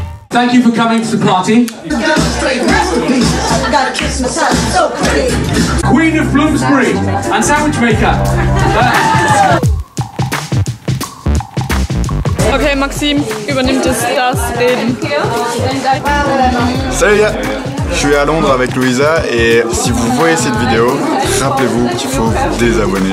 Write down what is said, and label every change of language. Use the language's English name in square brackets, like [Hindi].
[English] Thank you for coming to the party. Queen of Bloomsbury and sandwich maker. [German] Okay, Maxim, übernimm das Reden. [French] Salut les gars, je suis à Londres avec Louisa et si vous voyez cette vidéo, rappelez-vous qu'il faut vous désabonner.